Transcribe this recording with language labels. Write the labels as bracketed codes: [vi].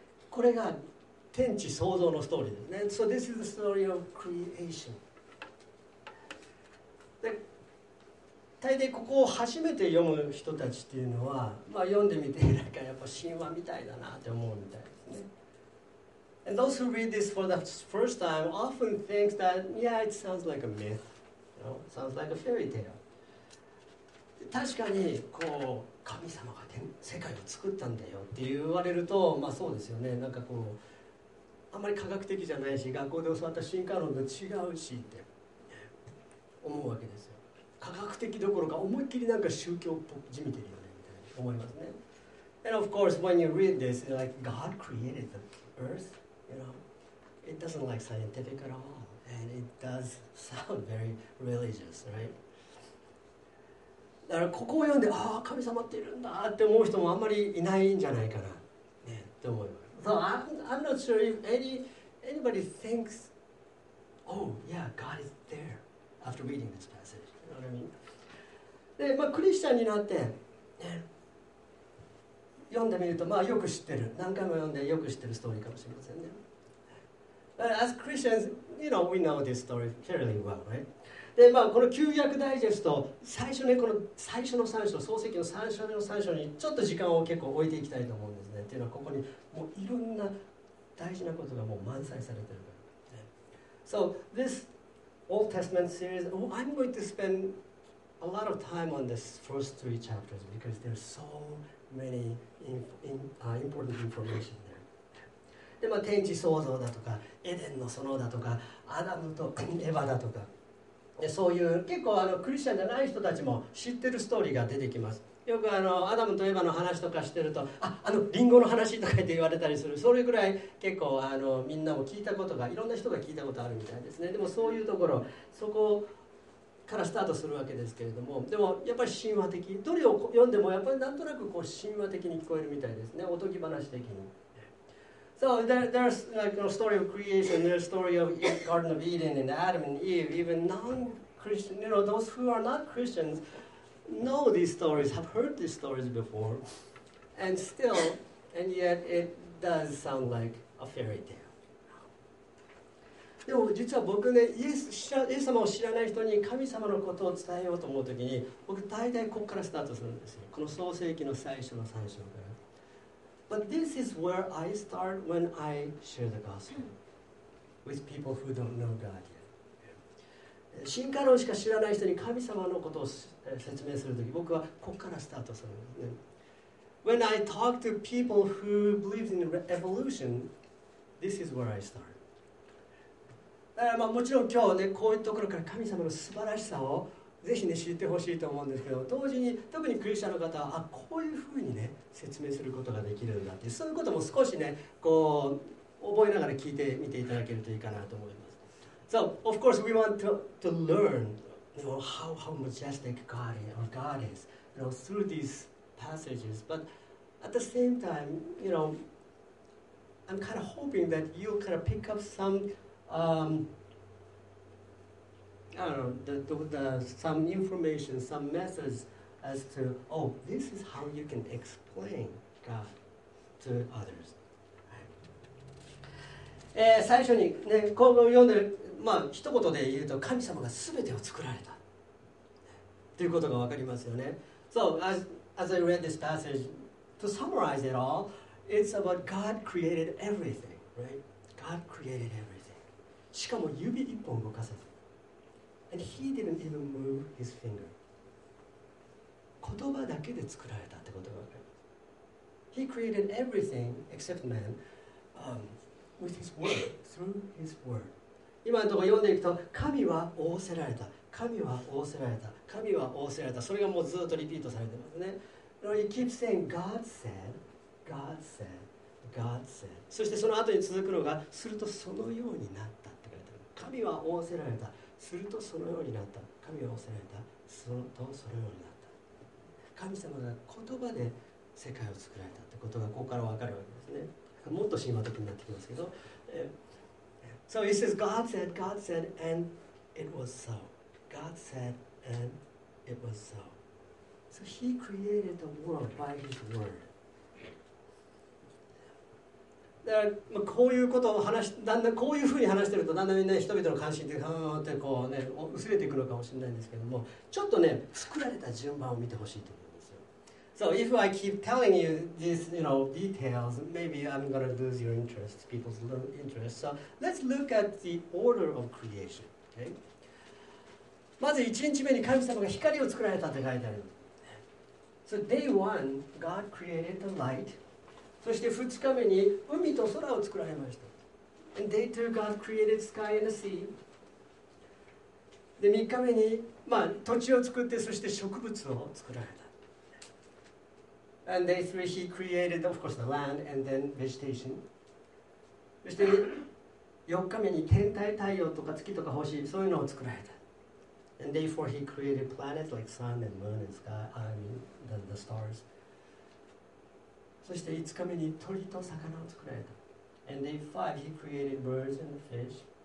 [ja] これが天地創造のストーリーですね。 [en] So this is the story of creation. [ja] で、大抵ここを初めて読む人たちっていうのは、まあ、読んでみてなんかやっぱ神話みたいだなって思うみたいですね。 [en] And those who read this for the first time often think that, yeah, it sounds like a myth. You know, it sounds like a fairy tale. [ja] 確かにこう神様が世界を作ったんだよって言われるとまあそうですよね。なんかこうあまり科学的じゃないし学校で教わった進化論と違うしって思うわけですよ。科学的どころか思いっきりなんか宗教っぽく地味てるよねみたいに思いますね。 [en] And of course when you read this you're like God created the earth, you know, it doesn't like scientific at all and it does sound very religious, right? [ja] だからここを読んでああ神様っているんだって思う人もあんまりいないんじゃないかな、ね、と思います [en] So I'm not sure if anybody thinks oh yeah God is there after reading this passage. You know what I mean? [ja] で、まあ、クリスチャンになって、ね、読んでみると、まあ、よく知ってる何回も読んでよく知ってるストーリーかもしれませんね。 [en] But as Christians you know we know this story fairly well, right? [ja] でまあ、この旧約ダイジェスト最初ねこの最初の3章創世記の3章の3章にちょっと時間を結構置いていきたいと思うんですね。っていうのはここにもういろんな大事なことがもう満載されてるから、ね、 [en] So this Old Testament series I'm going to spend a lot of time on this first three chapters because there's so many important information there. [ja] で、まあ、天地創造だとかエデンの園だとかアダムとエヴァだとかでそういう結構あのクリスチャンじゃない人たちも知ってるストーリーが出てきます。よくあのアダムとエヴァの話とかしてると あのリンゴの話とかって言われたりする。それぐらい結構あのみんなも聞いたことがいろんな人が聞いたことあるみたいですね。でもそういうところそこからスタートするわけですけれどもでもやっぱり神話的どれを読んでもやっぱりなんとなくこう神話的に聞こえるみたいですね。おとぎ話的に。 [en] So there's like a story of creation, there's a story of Garden of Eden and Adam and Eve, even non-Christian, you know, those who are not Christians know these stories, have heard these stories before, and still, and yet it does sound like a fairy tale. [ja] でも実は僕ね、イエス様を知らない人に神様のことを伝えようと思うときに、僕大体ここからスタートするんですよ。この創世記の最初の3章から。 [en] But this is where I start when I share the gospel with people who don't know God yet. [ja] 進化論しか知らない人に神様のことを説明するとき、僕はここからスタートするんですね。 [en] When I talk to people who believe in evolution, this is where I start. [ja] まあ、もちろん今日ねこういうところから神様の素晴らしさをぜひね知ってほしいと思うんですけど同時に特にクリスチャンの方はあこういうふうにね説明することができるんだってそういうことも少しねこう覚えながら聞いてみていただけるといいかなと思います。 [en] So of course we want to learn you know, how majestic God is, or God is you know, through these passages but at the same time you know, I'm kind of hoping that you'll kind of pick up someI don't know, some information, some methods as to, oh, this is how you can explain God to others. [ja] 最初にね、こう読んで、まあ、一言で言うと、神様が全てを作られた。ということがわかりますよね。 [en] So, as I read this passage, to summarize it all, it's about God created everything, right? God created everything. [ja] しかも指一本動かさず。 [en] And he didn't even move his finger. [ja] 言葉だけで作られたってことが分かる。 [en] He created everything except man, with his word, through his word. [ja] 今のところ読んでいくと、神は仰せられた。神は仰せられた。神は仰せられた。それがもうずっとリピートされてますね。 [en] He keeps saying, God said, God said, God said. [ja] そしてその後に続くのが、するとそのようになった。神は仰せられた。するとそのようになった。神は仰せられた。するとそのようになった。神様が言葉で世界を作られたってことがここからわかるわけですね。もっと神話的になってきますけど。 [en] So he says, God said, and it was so. God said, and it was so. So he created the world by his word. [ja] だからまあ、こういうことを話しだんだんこういうふうに話してるとだんだん、ね、人々の関心ってふーってこう、ね、薄れていくのかもしれないんですけどもちょっとね作られた順番を見てほしいと思うんですよ。 [en] So if I keep telling you these, you know, details, maybe I'm going to lose your interest, people's interest. So let's look at the order of creation. Okay? [ja] まず1日目に神様が光を作られたと書いてある。 [en] So day one, God created the light. [ja] そして2日目に海と空を作られました。 [en] And day two, God created sky and the sea. [ja] で3日目に、まあ、土地を作って、そして植物を作られた。 [en] And day three, he created, of course, the land and then vegetation. [ja] そして4日目に天体、太陽とか月とか星、そういうのを作られた。 [en] And day four, he created planets like sun and moon and sky, I mean, the stars. [ja] そして5日目に鳥と魚を作られた。 [en] And day five, he created birds and fish.